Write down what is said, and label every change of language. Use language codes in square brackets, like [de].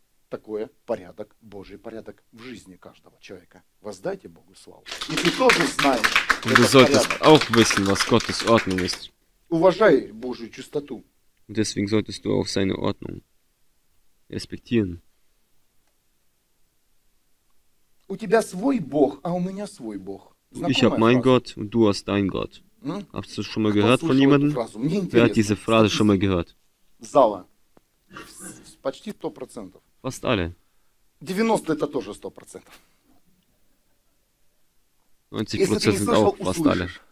[ru] Такое порядок, Божий порядок в жизни каждого человека. Воздайте Богу славу. И ты тоже знаешь. [de] Du solltest auch wissen, was Gottes Ordnung ist. [ru] Уважай Божью чистоту. [de] Deswegen solltest du auch seine Ordnung respektieren. [ru] У тебя свой Бог, а у меня свой Бог. [de] Ich habe meinen Gott und du hast deinen Gott. Hast du schon mal gehört von jemandem? Wer hat diese Phrase schon mal gehört? [ru] Зала. Почти 100%. [de] Fast alle. 90% sind auch fast alle.